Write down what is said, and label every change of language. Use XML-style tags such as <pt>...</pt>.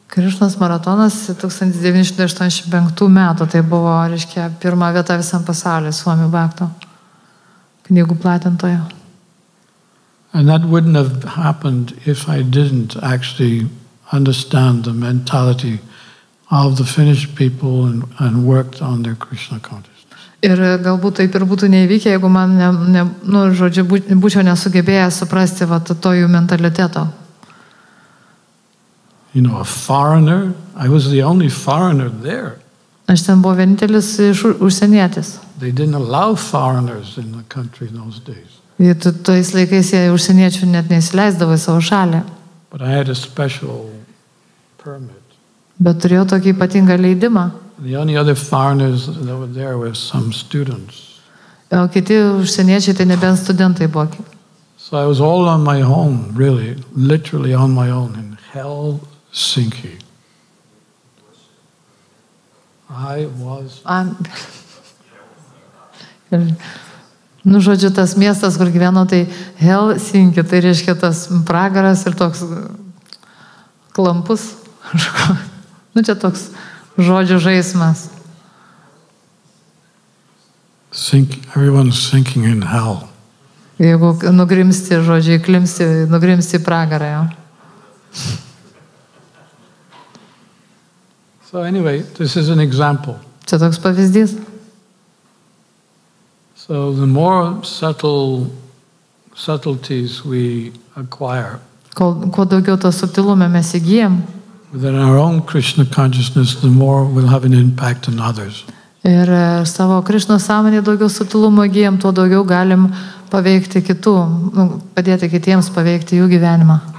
<lt>Krišnos maratonas 1985 metų, tai buvo, reiškia, pirma vieta visam pasaulyje Suomių bakto knygų platintojo.</lt> <en>And that wouldn't have happened if I didn't actually understand the mentality of the Finnish people and worked on their Krishna consciousness.</en> <lt>Ir galbūt taip ir būtų neįvykę, jeigu man būčiau nesugebėjęs suprasti vat to jų mentaliteto.</lt> <en>You know, a foreigner. I was the only foreigner there.</en> <lt>Aš ten buvau vienintelis užsienietis.</lt> <en>They didn't allow foreigners in the country in those days.</en> <lt>Tais laikais jie užsieniečių net neįsileisdavo į savo šalį.</lt> <en>But I had a special permit.</en> <lt>Bet turėjau tokį ypatingą leidimą.</lt> <en>The only other foreigners that were there were some students.</en> <lt>O kiti užsieniečiai tai nebent studentai buvo.</lt> <en>So I was all on my own, really, literally on my own in hell sinking. I was.</en> <lt>Nu, žodžiu, tas miestas, kur gyveno, tai Helsinki, tai reiškia tas pragaras ir toks klampus. Nu, čia toks žodžių žaismas.</lt> <en>Everyone's sinking in hell.</en> <lt>Jeigu nugrimsti, žodžiu, įklimsti, nugrimsti pragarą. Jo.</lt> <en>So anyway, this is an example.</en> <lt>Čia toks pavyzdys.</lt> <en>So the more subtleties we acquire,</en> <lt>kuo daugiau to subtilumo mes įgyjam,</lt> <en>within our own Krishna consciousness, the more we'll have an impact on others.</en> <lt>Ir savo Krishna sąmonėje daugiau subtilumo įgyjam, tuo daugiau galim paveikti kitų, padėti kitiems paveikti jų gyvenimą.</lt>